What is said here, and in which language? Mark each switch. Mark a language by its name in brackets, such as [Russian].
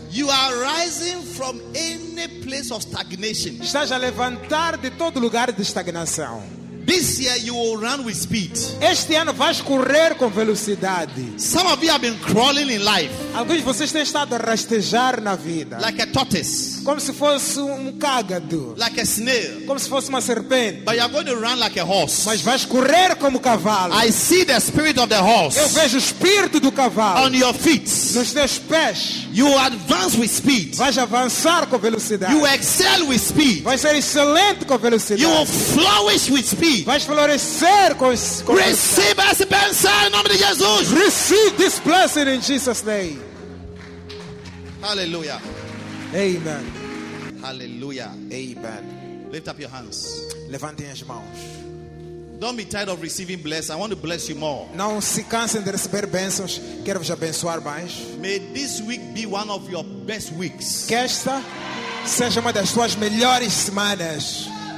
[English] You are rising from any place of stagnation. [Portuguese] Estás a levantar de todo lugar de estagnação. [English] This year you will run with speed. [Portuguese] Este ano vais correr com velocidade. [English] Some of you have been crawling in life. [Portuguese] Alguns de vocês têm estado a rastejar na vida. [English] Like a tortoise. [Portuguese] Como se fosse um cágado. [English] Like a snail. [Portuguese] Como se fosse uma serpente. [English] But you are going to run like a horse. [Portuguese] Mas vais correr como cavalo. [English] I see the spirit of the horse. [Portuguese] Eu vejo o espírito do cavalo. [English] On your feet. [Portuguese] Nos teus pés. [English] You advance with speed. [Portuguese] Vais avançar com velocidade. [English] You excel with speed. [Portuguese] Vais ser excelente com velocidade. [English] You will flourish with speed. [Portuguese] Vais florescer com receba essa bênção em nome de Jesus. [English] Receive this blessing in Jesus name. Hallelujah. Amen. Hallelujah. Amen. Lift up your hands. [Portuguese] Levantem as mãos. [English] Don't be tired of receiving blessings. I want to bless you more. [Portuguese] Não se cansem de receber bênçãos. Quero vos abençoar mais. [English] May this week be one of your best weeks. [Portuguese] Que esta seja uma das suas melhores semanas.